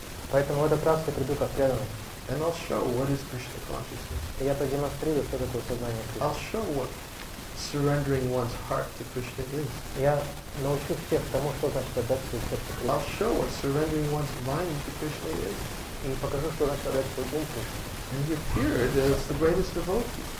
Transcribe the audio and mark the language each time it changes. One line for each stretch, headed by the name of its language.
Russian: Поэтому в этот раз я приду как преданный.
English: And I'll show what is Krishna consciousness.
Russian: Я продемонстрирую, что такое сознание Кришны.
English: I'll show what surrendering one's heart to Krishna is.
Russian: Я научу всех тому, что значит отдать свое сердце Кришне.
English: I'll show what surrendering one's mind to Krishna is.
Russian: И покажу, что значит отдать свой ум Кришне.
English: And he appeared as the greatest devotee.